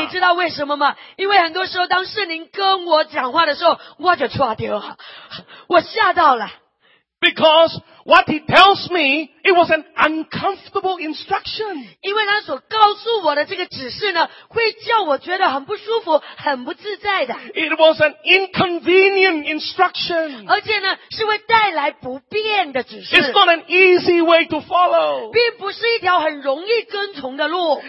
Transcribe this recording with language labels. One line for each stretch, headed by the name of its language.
Chinese: 你知道为什么吗？因为很多时候当圣灵跟我讲话的时候，我就错掉了，我吓到了。
English: Because what he tells me, it was an uncomfortable instruction.
Chinese: 因为他所告诉我的这个指示呢，会叫我觉得很不舒服，很不自在的。
English: It was an inconvenient instruction.
Chinese: 而且呢，是会带来不便的指示。
English: It's not an easy way to follow.
Chinese: 并不是一条很容易跟从的路。